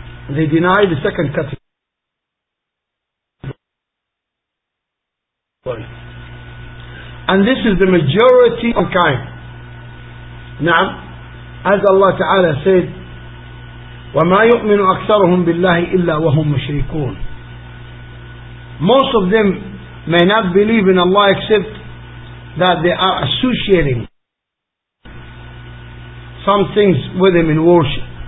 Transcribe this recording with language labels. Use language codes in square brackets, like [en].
[en] They deny the second category. And this is the majority of mankind. Now, as Allah Ta'ala said, [ar] وما يؤمن أكثرهم بالله إلا وهم مشركون. [en] Most of them may not believe in Allah except that they are associating some things with him in worship.